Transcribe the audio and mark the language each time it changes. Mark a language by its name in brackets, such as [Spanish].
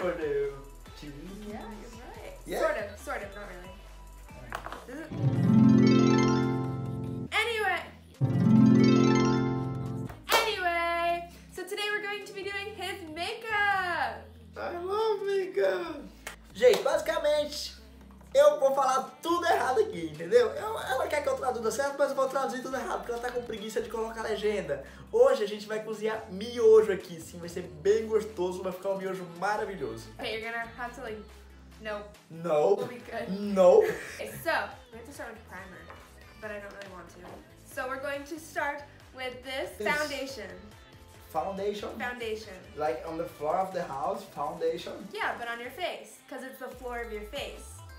[English] Brush for the cheeks. Yeah, you're right. Yeah. Sort of, not really. Anyway, so today we're going to be doing his makeup. I love makeup. [Portuguese] Gente, basicamente, eu vou falar tudo errado aqui, entendeu? Ela quer que eu traduza certo, mas eu vou traduzir tudo errado, porque ela tá com preguiça de colocar legenda. Hoje a gente vai cozinhar miojo aqui, sim, vai ser bem gostoso, vai ficar um miojo maravilhoso. [English] Okay, you're gonna have to like, no. No. We'll be good. No. Okay, so, we have to start with primer, but I don't really want to. So we're going to start with this foundation. Foundation? Foundation. Like on the floor of the house, foundation? Yeah, but on your face, because it's the floor of your face.